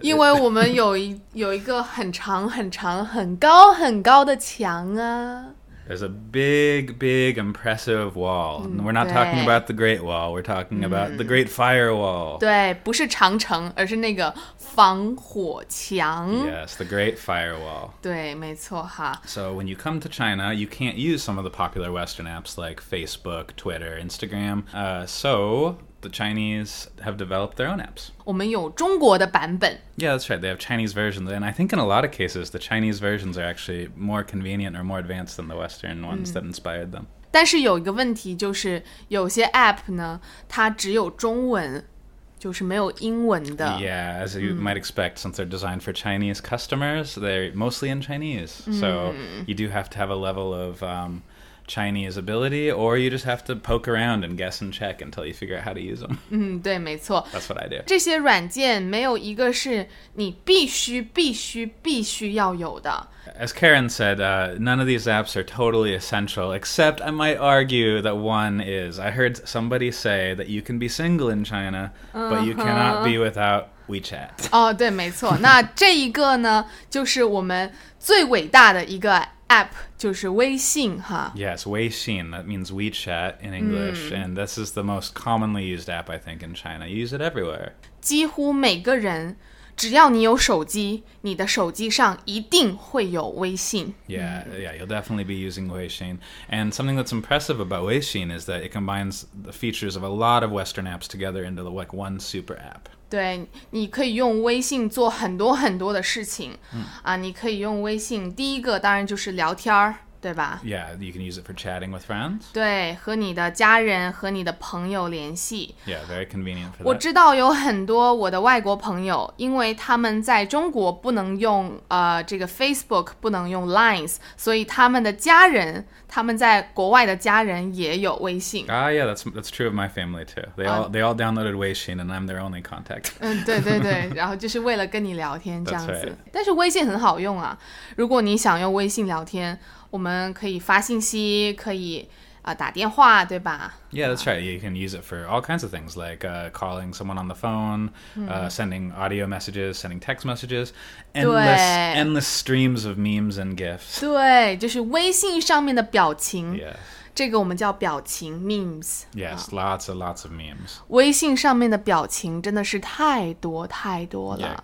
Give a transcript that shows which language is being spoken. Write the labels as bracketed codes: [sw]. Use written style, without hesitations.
[zh] 因为我们有一个很长很长很高很高的墙啊。 [en] There's a big, big, impressive wall. We're not talking about the Great Wall. We're talking about the Great Firewall. [zh] 对，不是长城，而是那个防火墙。 [en] Yes, the Great Firewall. [zh] 对，没错哈。 [en] So when you come to China, you can't use some of the popular Western apps like Facebook, Twitter, Instagram. So the Chinese have developed their own apps. [zh] 我们有中国的版本。 [en] Yeah, that's right. They have Chinese versions. And I think in a lot of cases, the Chinese versions are actually more convenient or more advanced than the Western ones that inspired them. [zh] 但是有一个问题就是有些 app 呢它只有中文就是没有英文的。 [en] Yeah, as you might expect, since they're designed for Chinese customers, they're mostly in Chinese. So you do have to have a level of... Chinese ability, or you just have to poke around and guess and check until you figure out how to use them. [zh] 对，没错。 [en] That's what I do. [zh] 这些软件没有一个是你必须必须必须要有的。 [en] As Karen said, none of these apps are totally essential, except I might argue that one is. I heard somebody say that you can be single in China, but you cannot be without WeChat. [zh] 对，没错。那这一个呢，就是我们最伟大的一个App 就是微信哈。 [en] Yes, Weixin, that means WeChat in English, and this is the most commonly used app, I think, in China. You use it everywhere. [zh] 几乎每个人，只要你有手机，你的手机上一定会有微信。 [en] Yeah, you'll definitely be using Weixin. And something that's impressive about Weixin is that it combines the features of a lot of Western apps together into like one super app. [zh] 对，你可以用微信做很多很多的事情，你可以用微信，第一个当然就是聊天，对吧？ [en] Yeah, you can use it for chatting with friends. [zh] 对，和你的家人，和你的朋友联系。 [en] Yeah, very convenient for that. [zh] 我知道有很多我的外国朋友，因为他们在中国不能用这个 Facebook, 不能用 Lines, 所以他们的家人，他们在国外的家人也有微信。 [en] Yeah, that's true of my family too. They all downloaded Weixin and I'm their only contact. [zh] 对对对，然后就是为了跟你聊天这样子。 [en] That's right. [zh] 但是微信很好用啊，如果你想用微信聊天，我们可以发信息，可以打电话，对吧？ [en] Yeah, that's right. You can use it for all kinds of things, like calling someone on the phone, sending audio messages, sending text messages, endless streams of memes and GIFs. [zh] 对，就是微信上面的表情。 [en] Yes. [zh] 这个我们叫表情 memes. [en] Yes, lots and lots of memes. [zh] 微信上面的表情真的是太多太多了。